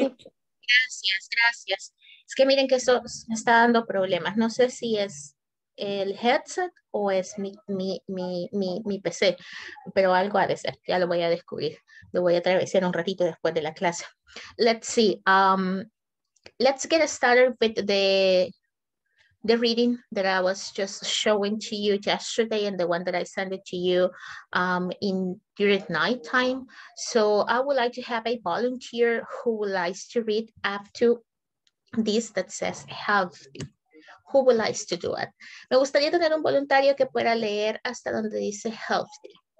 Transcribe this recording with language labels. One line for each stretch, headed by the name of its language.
Spanish: Gracias, gracias. Es que miren que eso me está dando problemas. No sé si es el headset o es mi PC, pero algo ha de ser. Ya lo voy a descubrir. Lo voy a atravesar un ratito después de la clase.
English: Let's see. Let's get started with the reading that I was just showing to you yesterday and the one that I sent it to you during nighttime. So I would like to have a volunteer who likes to read after this that says healthy. Who would like to do it?
Spanish: Me gustaría tener un voluntario que pueda leer hasta donde dice healthy.